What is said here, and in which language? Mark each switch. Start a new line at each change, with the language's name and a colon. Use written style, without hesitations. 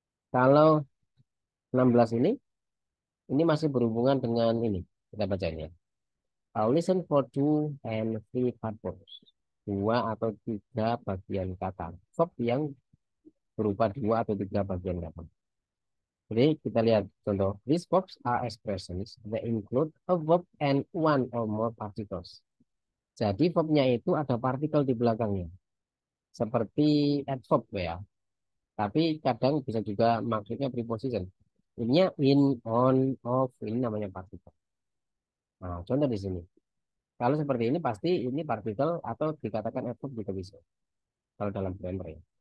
Indonesian: Kalau 16 ini masih berhubungan dengan ini. Kita bacanya.
English: Listen for two and three part words.
Indonesian: Dua atau tiga bagian kata. Verb yang berupa dua atau tiga bagian kata. Jadi kita lihat contoh.
English: These verbs are expressions that include a verb and one or more particles.
Indonesian: Jadi verbnya itu ada partikel di belakangnya. Seperti adverb ya. Tapi kadang bisa juga maksudnya preposition. Ini in, on, of, ini namanya partikel. Nah, contoh di sini. Kalau seperti ini pasti ini partikel atau dikatakan adverb juga bisa. Kalau dalam grammar ya.